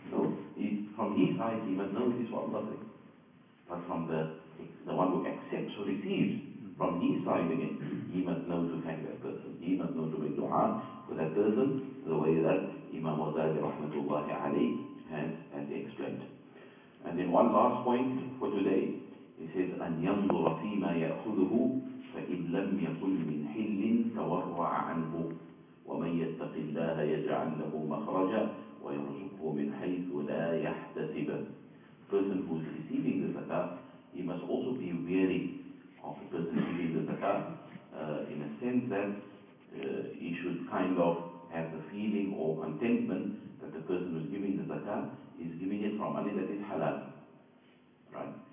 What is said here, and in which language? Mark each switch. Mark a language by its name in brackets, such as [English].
[English] No, from his side, he must know it is for Allah's sake. But from the one who accepts or receives, from his side again, he must know to thank that person. He must know to make dua for that person, the way that Imam Ghazali rahmatullahi alayhi has explained. And then one last point for today, he says, [Arabic] أَنْ يَنْظُرَ فِي مَا يَأْخُذُهُ فَإِنْ لَمْ يَقُلْ مِنْ حِلٍ تَوَرْوَعَ عَنْهُ وَمَنْ يَتَّقِ اللَّهَ يَجْعَلْ لَهُ مَخْرَجًا وَيَرْزُقْهُ مِنْ حَيْثُ لَا يَحْتَسِبَ. [English] Person who is receiving the zakat, he must also be wary of the person receiving the zakat, in a sense that he should kind of have the feeling or contentment that the person who is giving the zakat is giving it from money that is halal. Right?